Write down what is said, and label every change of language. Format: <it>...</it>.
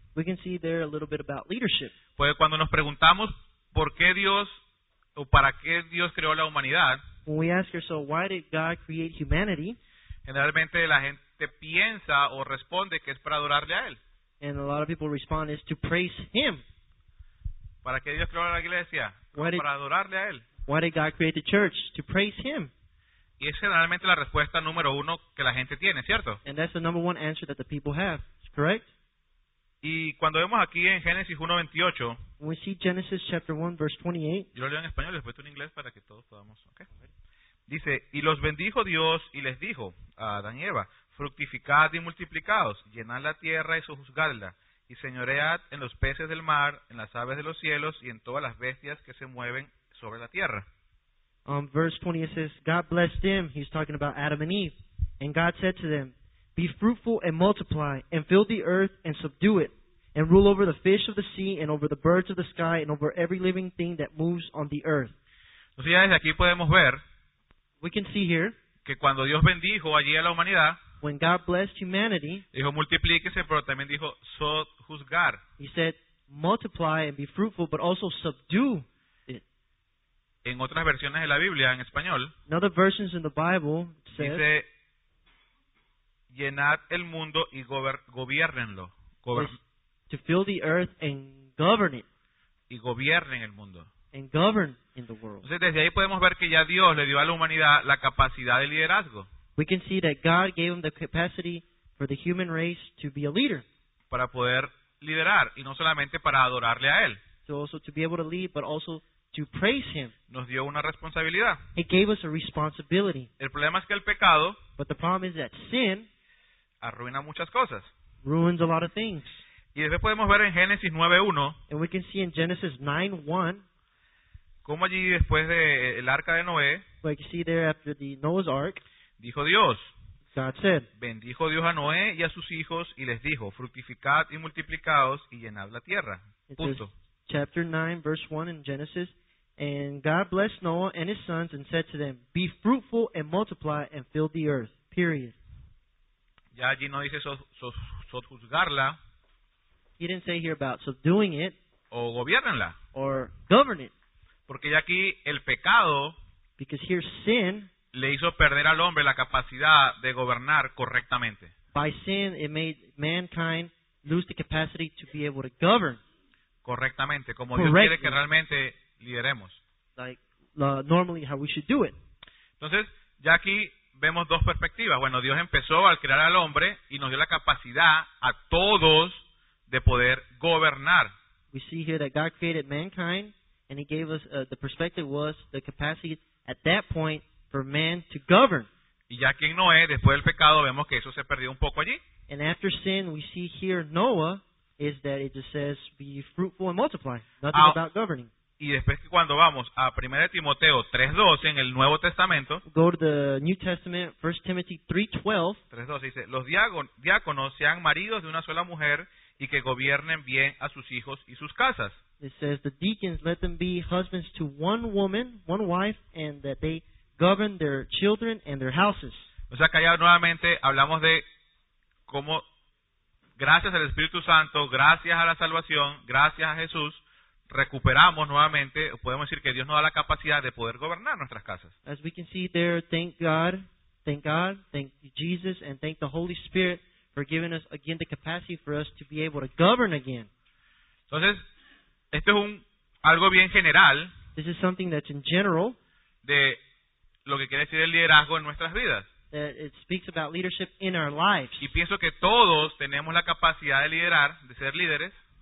<en>We can see there a little bit about leadership.</en> <es>Pues cuando nos preguntamos por qué Dios o para qué Dios creó la humanidad.</es> <en>When we ask ourselves, why did God create humanity?</en> <es>Generalmente la gente piensa o responde que es para adorarle a él.</es> <en>And a lot of people respond is to praise him.</en> <es>¿Para qué Dios creó la iglesia? Para adorarle a él.</es> <en>Why did God create the church? To praise him.</en> <es>Y es generalmente la respuesta número uno que la gente tiene, ¿cierto?</es> <en>And that's the number one answer that the people have. Correct?</en> <es>Y cuando vemos aquí en Génesis 1:28,</es> <en>we see Genesis chapter 1 verse 28.</en> <es>Yo lo leo en español y después en inglés para que todos podamos, ¿okay? Dice, y los bendijo Dios y les dijo a Adán y Eva, fructificad y multiplicaos, llenad la tierra y sojuzgadla, y señoread en los peces del mar, en las aves de los cielos, y en todas las bestias que se mueven sobre la tierra.</es> <en>Verse 20, it says, God blessed them, he's talking about Adam and Eve, and God said to them, be fruitful and multiply, and fill the earth and subdue it, and rule over the fish of the sea and over the birds of the sky and over every living thing that moves on the earth.</en> <es>O sea, desde aquí podemos ver,</es> <en>we can see here,</en> <es>que cuando Dios bendijo allí a la humanidad,</es> <en>when God blessed humanity,</en> <es>dijo multiplíquese, pero también dijo sojuzgar.</es> <en>He said, multiply and be fruitful, but also subdue it.</en> <es>En otras versiones de la Biblia, en español,</es> <en>in other versions in the Bible, says,</en> <es>dice, llenad el mundo y gobiernenlo.</es> <en>To fill the earth and govern it.</en> <es>Y gobiernen el mundo.</es> <en>And govern in the world.</en> <es>Entonces, desde ahí podemos ver que ya Dios le dio a la humanidad la capacidad de liderazgo.</es> <en>We can see that God gave him the capacity for the human race to be a leader.</en> <es>Para poder liderar, y no solamente para adorarle a él.</es> <en>So also to be able to lead, but also to praise him.</en> <es>Nos dio una responsabilidad.</es> <en>He gave us a responsibility.</en> <es>El problema es que el pecado,</es> <en>but the problem is that sin</en> <es>arruina muchas cosas.</es> <en>Ruins a lot of things.</en> <es>Y después podemos ver en Génesis 9:1,</es> <en>and we can see in Genesis 9:1,</en> <es>como allí después de el arca de Noé,</es> <en>we can see there after the Noah's ark,</en> <es>dijo Dios,</es> <en>God said,</en> <es>bendijo Dios a Noé y a sus hijos y les dijo, fructificad y multiplicaos y llenad la tierra. Punto.</es> <en>Chapter 9, verse 1 in Genesis. And God blessed Noah and his sons and said to them, be fruitful and multiply and fill the earth. Period.</en> <es>Ya allí no dice sojuzgarla.</es> <en>He didn't say here about subduing it.</en> <es>O gobiérnenla.</es> <en>Or govern it.</en> <es>Porque ya aquí el pecado,</es> <en>because here sin,</en> <es>le hizo perder al hombre la capacidad de gobernar correctamente.</es> <en>By sin, it made mankind lose the capacity to be able to govern.</en> <es>Correctamente, como Dios quiere que realmente lideremos.</es> <en>Like normally how we should do it.</en> <es>Entonces, ya aquí vemos dos perspectivas. Bueno, Dios empezó al crear al hombre y nos dio la capacidad a todos de poder gobernar.</es> <en>We see here that God created mankind and he gave us, the perspective was the capacity at that point for man to govern.</en> <es>Y ya aquí en Noé, después del pecado, vemos que eso se perdió un poco allí.</es> <en>And after sin, we see here Noah, is that it just says, be fruitful and multiply. Nothing about governing.</en> <es>Y después cuando vamos a 1 Timoteo 3:12 en el Nuevo Testamento,</es> <en>go to the New Testament, 1 Timothy 3:12.</en> <es>3:12 dice, los diáconos sean maridos de una sola mujer y que gobiernen bien a sus hijos y sus casas.</es> <en>It says, the deacons, let them be husbands to one woman, one wife, and that they govern their children and their houses.</en> <es>O sea, que allá nuevamente hablamos de cómo, gracias al Espíritu Santo, gracias a la salvación, gracias a Jesús, recuperamos nuevamente, podemos decir que Dios nos da la capacidad de poder gobernar nuestras casas.</es> <en>As we can see there, thank God, thank Jesus, and thank the Holy Spirit for giving us again the capacity for us to be able to govern again.</en> <es>Entonces, esto es algo bien general.</es> <en>This is something that's in general.</en> <es>De lo que quiere decir el liderazgo en nuestras vidas.</es> <en>That it speaks about leadership in our lives.</en> <es>Y pienso que todos tenemos la capacidad de liderar, de ser líderes.</es>